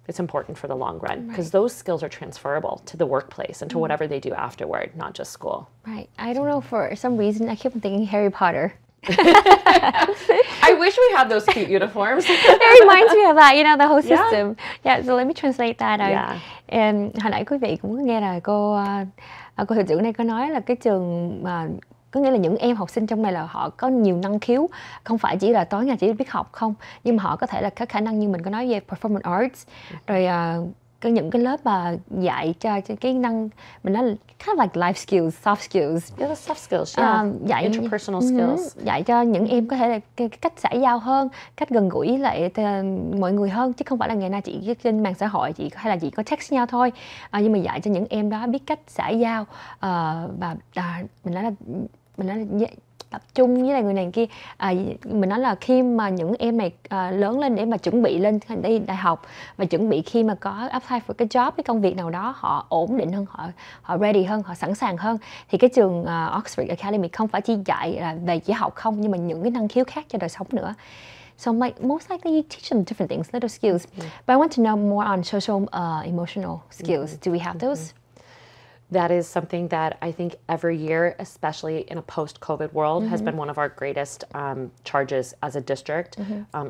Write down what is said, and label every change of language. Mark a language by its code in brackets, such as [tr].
[en] It's important for the long run because those skills are transferable to the workplace and to whatever they do afterward, not just school. Right. I don't know, for some reason I keep thinking Harry Potter. I wish we had those cute uniforms. It reminds me of that, you know, the whole system. Yeah, so let me translate that. [vi] And hồi nãy quý vị cũng nghe là cô hiệu trưởng này có nói là cái trường mà có nghĩa là những em học sinh trong này là họ có nhiều năng khiếu, không phải chỉ là tối ngày chỉ biết học không, nhưng mà họ có thể là các khả năng như mình có nói về [en] performing arts, [vi] rồi cái những cái lớp mà dạy cho cái năng mình nói [en] kind of like life skills, soft skills. Yeah, the soft skills. Yeah. Dạy interpersonal skills. [vi] Dạy cho những em có thể là cái cách xã giao hơn, cách gần gũi lại mọi người hơn, chứ không phải là ngày nào chỉ trên mạng xã hội chỉ hay là chỉ có text nhau thôi. Nhưng mà dạy cho những em đó biết cách xã giao và mình nói là tập trung với lại người này kia. Mình nói là khi mà những em này lớn lên để mà chuẩn bị lên đi đại học và chuẩn bị khi mà có [en] apply for [vi] cái job, cái công việc nào đó, họ ổn định hơn, họ ready hơn, họ sẵn sàng hơn, thì cái trường Oxford Academy không phải chỉ dạy về chỉ học không, nhưng mà những cái năng khiếu khác cho đời sống nữa. [en] So I'm like, most likely you teach them different things, little skills. Mm-hmm. But I want to know more on social emotional skills. Mm-hmm. Do we have those? Mm-hmm. That is something that I think every year, especially in a post-COVID world, mm-hmm. has been one of our greatest charges as a district, mm-hmm.